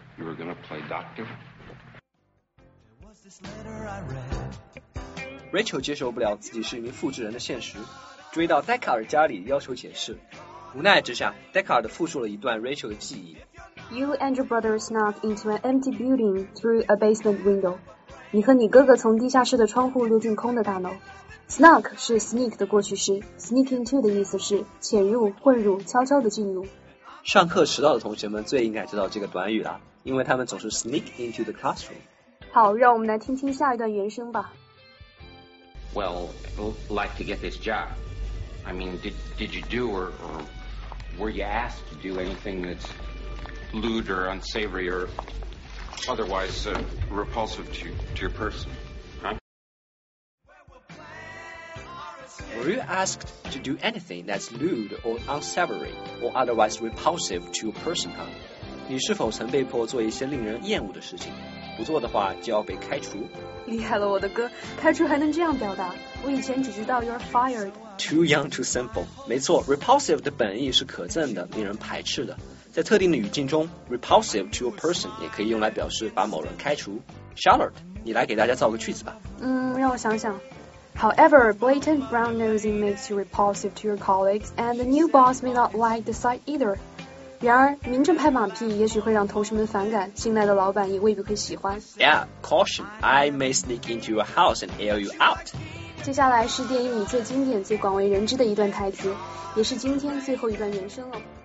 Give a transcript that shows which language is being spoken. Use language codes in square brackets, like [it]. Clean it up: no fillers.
[en] You were gonna play doctor? There was this letter I read. [zh] Rachel 接受不了自己是一名复制人的现实，追到 Deckard 家里要求解释。无奈之下， Deckard 复述了一段 Rachel 的记忆。 [en] You and your brother snuck into an empty building through a basement window. [zh] 你和你哥哥从地下室的窗户溜进空的大楼。 Snuck 是 sneak 的过去式， sneak into 的意思是潜入、混入、悄悄地进入。上课迟到的同学们最应该知道这个短语了，因为他们总是 [en] sneak into the classroom. [zh] 好，让我们来听听下一段原声吧。 [en] Well, I'd like to get this job. I mean, did you do or were you asked to do anything that's... lewd or unsavory or otherwise repulsive to your person, huh? Were you asked to do anything that's lewd or unsavory or otherwise repulsive to your person, huh? [zh] 你是否曾被迫做一些令人厌恶的事情？不做的话就要被开除。厉害了，我的哥，开除还能这样表达。我以前只知道 [en] you're fired. Too young, too simple. [zh] 没错 ，repulsive 的本意是可憎的，令人排斥的。在特定的语境中 repulsive to a person 也可以用来表示把某人开除。 Charlotte, 你来给大家造个句子吧。让我想想。 [en] However, blatant brown nosing makes you repulsive to your colleagues and the new boss may not like the sight either. [zh] 然而明着拍马屁也许会让同事们反感，新来的老板也未必会喜欢。 [en] Yeah, caution, I may sneak into your house and air you out. [zh] 接下来是电影里最经典最广为人知的一段台词，也是今天最后一段原声了。